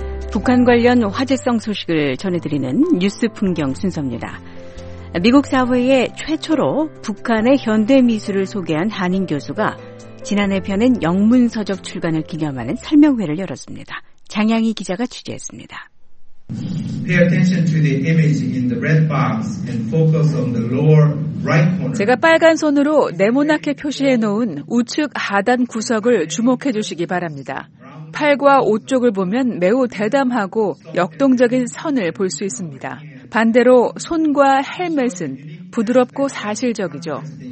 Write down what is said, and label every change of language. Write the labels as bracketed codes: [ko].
[ko] 북한 관련 화제성 소식을 전해드리는 뉴스 풍경 순서입니다. 미국 사회에 최초로 북한의 현대미술을 소개한 한인 교수가 지난해 펴낸 영문서적 출간을 기념하는 설명회를 열었습니다. 장양희 기자가 취재했습니다. [en] Pay attention to the image in the red box and focus on the lower right corner. [ko] 제가 빨간 손으로 네모나게 표시해 놓은 우측 하단 구석을 주목해 주시기 바랍니다. 팔과 옷 쪽을 보면 매우 대담하고 역동적인 선을 볼 수 있습니다. 반대로 손과 헬멧은 부드럽고 사실적이죠.